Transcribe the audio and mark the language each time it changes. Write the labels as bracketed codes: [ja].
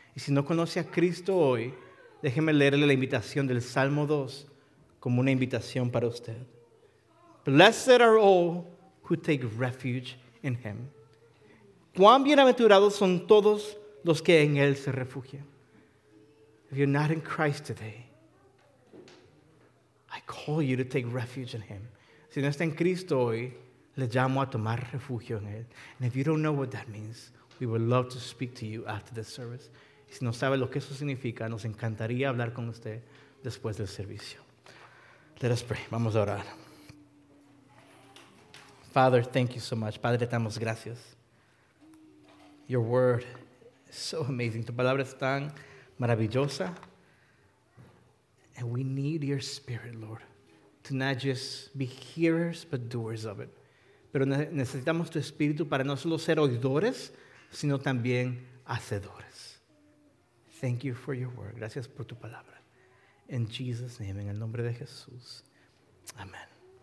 [es] Y si no conoce a Cristo hoy, déjeme leerle la invitación del Salmo 2 como una invitación para usted. [en] Blessed are all who take refuge in him. [es] Cuán bienaventurados son todos los que en él se refugian. [en] If you're not in Christ today, I call you to take refuge in him. [es] Si no está en Cristo hoy, le llamo a tomar refugio en él. [en] And if you don't know what that means, we would love to speak to you after this service. [es] Y si no sabe lo que eso significa, nos encantaría hablar con usted después del servicio. [en] Let us pray. [es] Vamos a orar. [en] Father, thank you so much. [es] Padre, te damos gracias. [en] Your word is so amazing. [es] Tu palabra es tan maravillosa. [en] And we need your spirit, Lord, to not just be hearers, but doers of it. [es] Pero necesitamos tu espíritu para no solo ser oidores, sino también hacedores. [en] Thank you for your word. [es] Gracias por tu palabra. [en] In Jesus' name, [es] en el nombre de Jesús. [en] Amen.